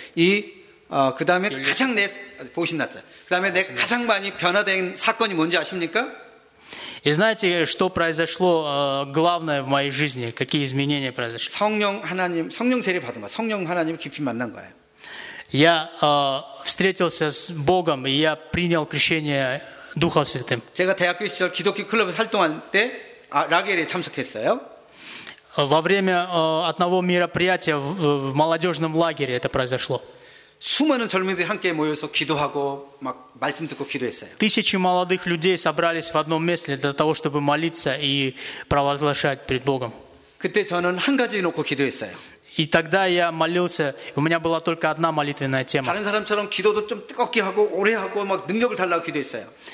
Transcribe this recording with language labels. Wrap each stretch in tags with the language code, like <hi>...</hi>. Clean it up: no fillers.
<ko>이 그다음에 가장 내 보신났죠. 그다음에 내 가장 많이 변화된 사건이 뭔지 아십니까?</ko> <ru>И знаете, что произошло главное в моей жизни? Какие изменения произошли?</ru> <ko>성령 하나님, 성령 세례 받은 거. 성령 하나님 깊이 만난 거예요.</ko> <ru>Я встретился с Богом, и я принял крещение Духа Святым.</ru> <ko>제가 대학교 시절 기독교 클럽에 활동할 때 라겔에 참석했어요.</ko> <ru>Во время одного мероприятия в молодежном лагере это произошло.</ru> <ko>수많은 젊은이들이 함께 모여서 기도하고 막 말씀 듣고 기도했어요.</ko> <ru>Тысячи молодых людей собрались в одном месте для того, чтобы молиться и провозглашать перед Богом.</ru> <ko>그때 저는 한 가지 놓고 기도했어요.</ko> <ru>И тогда я молился, у меня была только одна молитвенная тема.</ru> <ko>다른 사람처럼 기도도 좀 뜨겁게 하고 오래 하고 막 능력을 달라고 기도했어요.</ko>